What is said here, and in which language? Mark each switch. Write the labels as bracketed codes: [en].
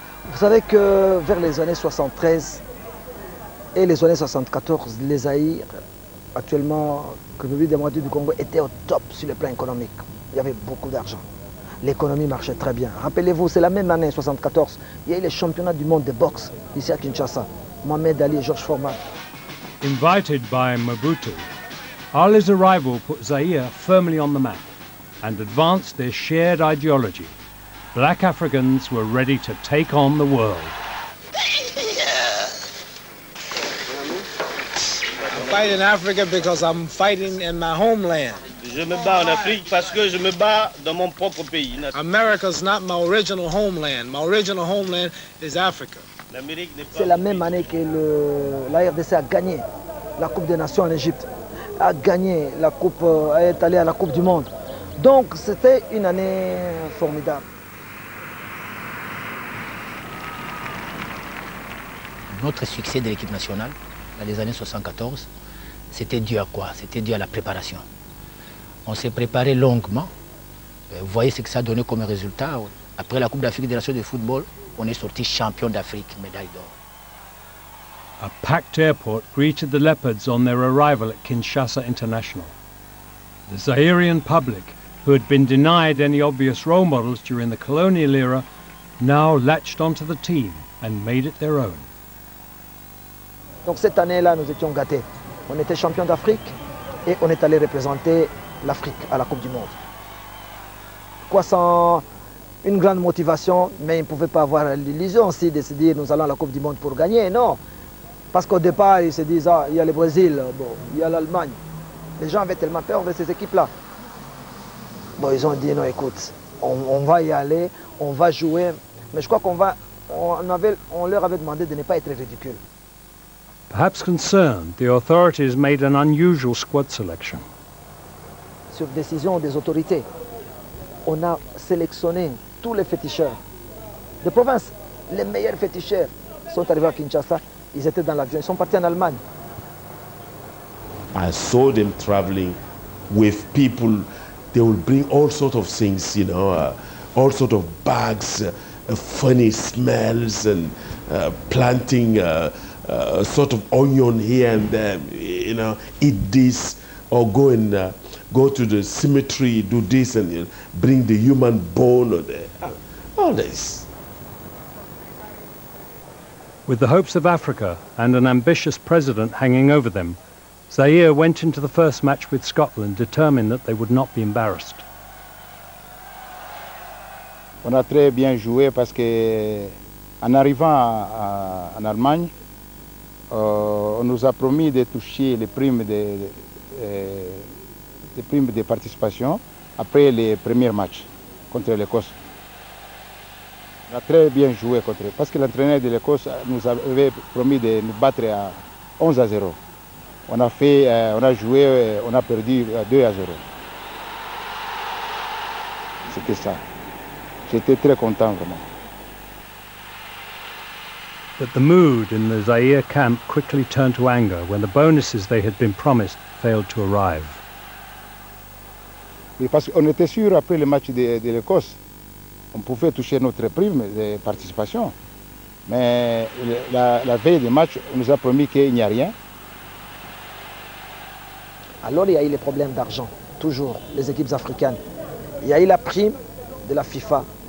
[fr] Vous savez que vers les années 73 et les années 74, les Zaïre, actuellement, que le pays de la moitié du Congo était au top sur le plan économique. Il y avait beaucoup d'argent. L'économie marchait très bien. Rappelez-vous, c'est la même année, 1974, il y a eu les championnats du monde de boxe ici à Kinshasa. Mohamed Ali et Georges Foreman. [en] Invited by Mobutu, Ali's arrival put Zaïre firmly on the map and advanced their shared ideology. Black Africans were ready to take on the world. I'm fighting in Africa because I'm fighting in my homeland. [fr] Je me bats en Afrique parce que je me bats dans mon propre pays. [en] America's not my original homeland. My original homeland is Africa. [fr] C'est la même année que la RDC a gagné la Coupe des Nations en Égypte, a gagné la Coupe, est allé à la Coupe du Monde. Donc c'était une année formidable. Notre succès de l'équipe nationale dans les années 74. C'était dû à quoi? C'était dû à la préparation. On s'est préparé longuement. Vous voyez ce que ça a donné comme résultat. Après la Coupe d'Afrique des Nations de football, on est sorti champion d'Afrique, médaille d'or. [en] A packed airport greeted the Leopards on their arrival at Kinshasa International. The Zairean public, who had been denied any obvious role models during the colonial era, now latched onto the team and made it their own. [fr] Donc cette année-là, nous étions gâtés. On était champion d'Afrique et on est allé représenter l'Afrique à la Coupe du Monde. Quoi sans une grande motivation, mais ils ne pouvaient pas avoir l'illusion aussi de se dire nous allons à la Coupe du Monde pour gagner, non. Parce qu'au départ, ils se disent ah, il y a le Brésil, bon, il y a l'Allemagne. Les gens avaient tellement peur de ces équipes-là. Bon, ils ont dit non, écoute, on va y aller, on va jouer. Mais je crois qu'on leur avait demandé de ne pas être ridicule. [en] Perhaps concerned, the authorities made an unusual squad selection. [fr] Sur décision des autorités, on a sélectionné tous les féticheurs de province. Les meilleurs féticheurs sont arrivés à Kinshasa. Ils étaient dans l'avion. Ils sont partis en Allemagne. [en] I saw them traveling with people. They would bring all sorts of things, you know, all sorts of bags, funny smells, and planting. Sort of onion here and there, you know, eat this or go and go to the cemetery, do this and you know, bring the human bone or all this. With the hopes of Africa and an ambitious president hanging over them, Zaïre went into the first match with Scotland determined that they would not be embarrassed. [fr] On a très bien joué parce que En arrivant en Allemagne, on nous a promis de toucher les primes les primes de participation après les premiers matchs contre l'Écosse. On a très bien joué contre eux, parce que l'entraîneur de l'Écosse nous avait promis de nous battre à 11-0. On a perdu 2-0. C'était ça. J'étais très content vraiment. [en] But the mood in the Zaire camp quickly turned to anger when the bonuses they had been promised failed to arrive. [fr] Mais parce qu'on était sûr après le match de l'Écosse, on pouvait toucher notre prime de participation. Mais la veille du match, on nous a promis qu'il n'y a rien. Alors il y a eu les problèmes d'argent, toujours, les équipes africaines. Il y a eu la prime de la FIFA.